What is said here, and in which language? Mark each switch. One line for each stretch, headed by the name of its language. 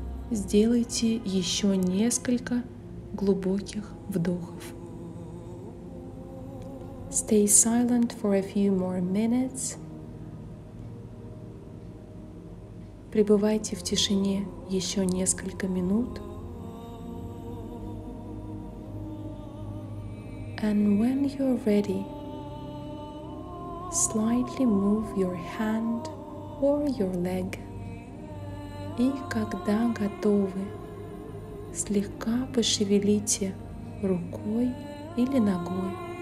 Russian: Сделайте еще несколько глубоких вдохов.
English: Stay silent for a few more minutes.
Russian: Пребывайте в тишине еще несколько минут.
English: And when you're ready, slightly move your hand or your leg.
Russian: И когда готовы, слегка пошевелите рукой или ногой.